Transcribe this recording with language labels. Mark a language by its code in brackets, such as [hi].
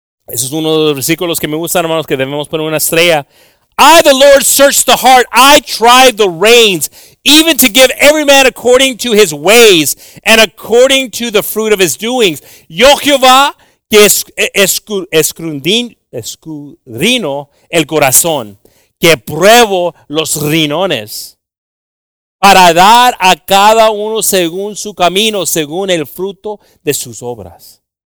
[es] Ese es uno de los versículos que me gustan, hermanos, que debemos poner una estrella. [en] I, the Lord, search the heart. I try the reins, even to give every man according to his ways and according to the fruit of his doings. [es] Yo, Jehová, que escudriño el corazón, que pruebo los riñones, para dar a cada uno según su camino, según el fruto de sus obras.